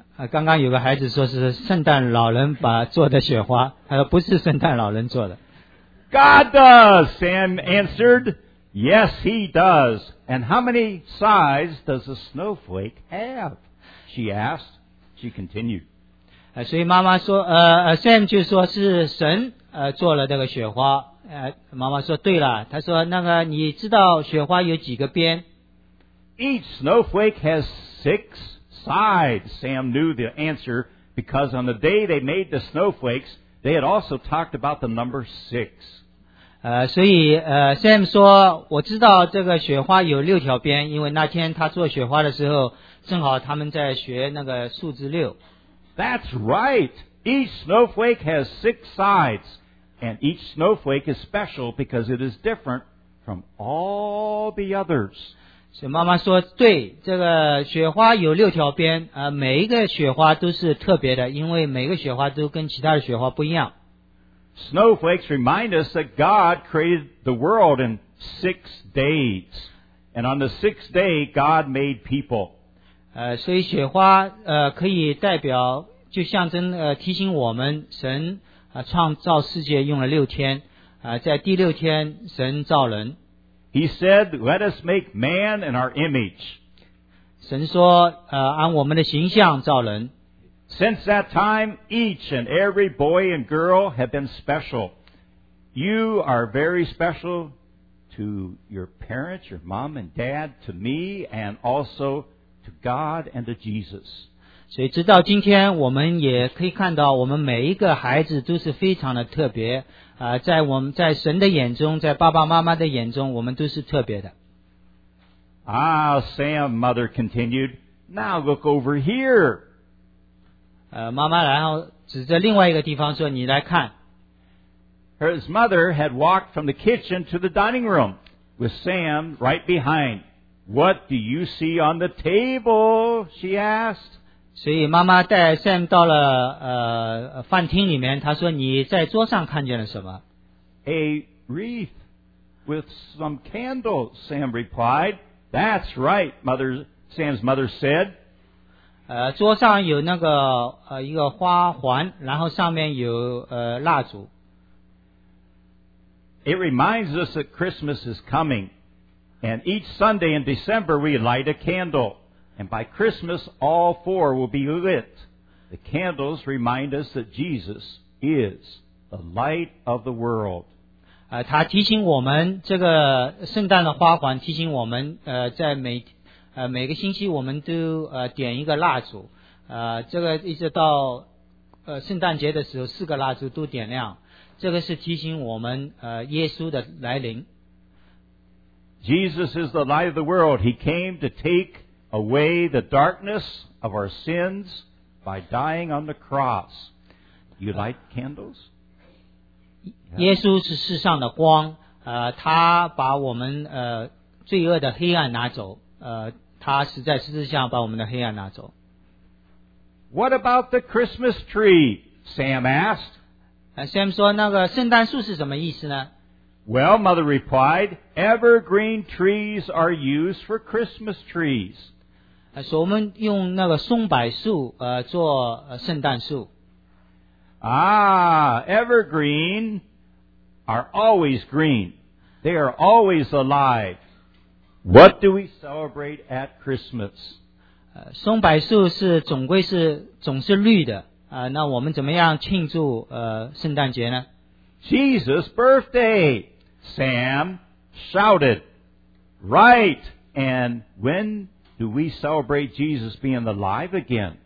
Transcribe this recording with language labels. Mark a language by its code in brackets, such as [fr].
[zh] 刚刚有个孩子说是圣诞老人把做的雪花他说不是圣诞老人做的。 [en] God does, Sam answered. Yes, he does. And how many size does a snowflake have? She asked. She continued. [zh] 所以妈妈说Sam 就说是神做了这个雪花妈妈说对了她说那个你知道雪花有几个边 [en] Each snowflake has six sides. Sam knew the answer because on the day they made the snowflakes, they had also talked about the number six. [zh] 所以Sam 说我知道这个雪花有六条边因为那天他做雪花的时候正好他们在学那个数字六。 [en] That's right. Each snowflake has six sides. And each snowflake is special because it is different from all the others. [zh] 所以妈妈说对这个雪花有六条边每一个雪花都是特别的因为每个雪花都跟其他的雪花不一样。 [en] Snowflakes remind us that God created the world in six days. And on the sixth day, God made people. [zh] 所以雪花可以代表就象征提醒我们神创造世界用了六天在第六天神造人。 [en] He said, let us make man in our image. [zh] 神说按我们的形象造人。 [en] Since that time, each and every boy and girl have been special. You are very special to your parents, your mom and dad, to me, and also to God and to Jesus. [zh] 所以直到今天我们也可以看到我们每一个孩子都是非常的特别在我们在神的眼中在爸爸妈妈的眼中我们都是特别的。 [en] Ah, Sam, mother continued, now look over here. [zh] 妈妈然后指着另外一个地方说你来看。 [en] Her mother had walked from the kitchen to the dining room with Sam right behind. What do you see on the table? She asked. [zh] 所以妈妈带 Sam 到了饭厅里面她说你在桌上看见了什么 [en] A wreath with some candles, Sam replied. That's right, Sam's mother said. [zh] 桌上有那个一个花环然后上面有蜡烛。 [en] It reminds us that Christmas is coming. And each Sunday in December, we light a candle. And by Christmas, all four will be lit. The candles remind us that Jesus is the light of the world. [zh] 他提醒我们这个圣诞的花环提醒我们在每个星期我们都点一个蜡烛。这个一直到圣诞节的时候四个蜡烛都点亮。这个是提醒我们耶稣的来临。 [en] Jesus is the light of the world. He came to take away the darkness of our sins by dying on the cross. You light candles? [zh] 耶稣是世上的光他把我们罪恶的黑暗拿走他实在十字架把我们的黑暗拿走。 [en] What about the Christmas tree? Sam asked. [zh] Sam 说那个圣诞树是什么意思呢？ [en] Well, mother replied, evergreen trees are used for Christmas trees. [zh] So, 我们用那个松柏树做圣诞树。 [en] Ah, evergreen are always green. They are always alive. What do we celebrate at Christmas? [zh] 松柏树是总归是总是绿的啊，那我们怎么样庆祝圣诞节呢？ [en] Jesus' birthday. Sam shouted. Right. And when do we celebrate Jesus being alive again?